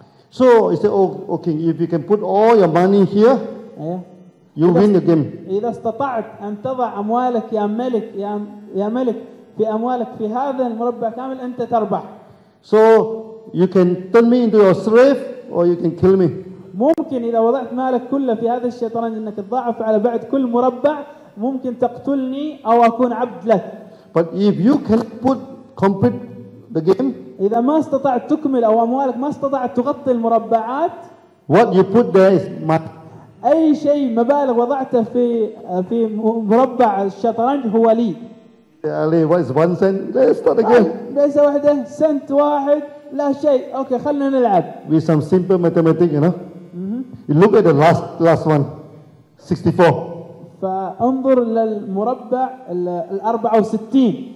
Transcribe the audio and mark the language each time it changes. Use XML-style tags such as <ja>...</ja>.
<en>So you say, "Oh, okay, if you can put all your money here, you win the game."</en> <ar>إذا استطعت أن تضع أموالك يا ملك يا ملك في أموالك في هذا المربع كامل أنت تربح.</ar> <en>So you can turn me into your slave or you can kill me.</en> <ar>ممكن إذا وضعت مالك كله في هذا الشطرنج أنك تضاعف على بعد كل مربع ممكن تقتلني أو أكون عبد لك.</ar> <en>But if you can put complete the game.</en> <ar>إذا ما استطعت تكمل أو أموالك ما استطعت تغطي المربعات.</ar> <en>What you put there is my.</en> <ar>أي شيء مبالغ وضعته في مربع الشطرنج هو لي.</ar> <en>علي, what is 1 cent? Let's start again.</en> <ar>بس واحدة سنت واحد لا شيء. أوكي خلنا نلعب.</ar> <en>With some simple mathematics, you know. Mm-hmm. You look at the last one, 64.</en> <ar>فانظر للمربع ال 64.</ar>